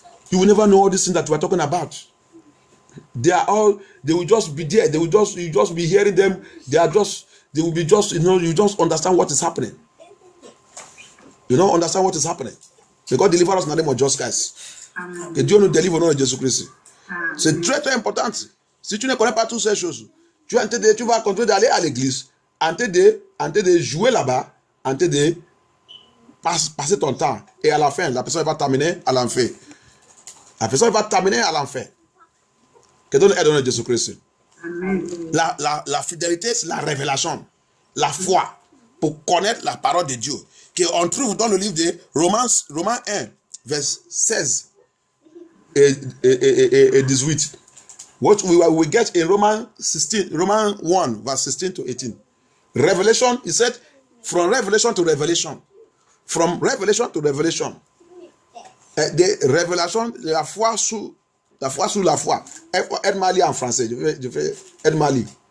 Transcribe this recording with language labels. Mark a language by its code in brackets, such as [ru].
[en] You will never know all these things that we are talking about. They will just be there. You just be hearing them. You just understand what is happening. You don't understand what is happening. May God deliver us in the name of Jesus Christ. [fr] Que Dieu nous délivre au nom de Jésus Christ. C'est très, très important. Si tu ne connais pas toutes ces choses, tu vas continuer d'aller à l'église, en train de jouer là-bas, en train de passer ton temps. Et à la fin, la personne va terminer à l'enfer. La personne va terminer à l'enfer. Que Dieu nous aide au nom de Jésus Christ. La fidélité, c'est la révélation, la foi pour connaître la parole de Dieu. Qu'on trouve dans le livre de Romains, Romains 1, verset 16 et 18. [en] What we get in Romans 1, verse 16 to 18. Revelation, he said, from revelation to revelation. From revelation to revelation. [fr] De révélation, la foi sous la foi. Aide-moi en français. Je vais aide-moi.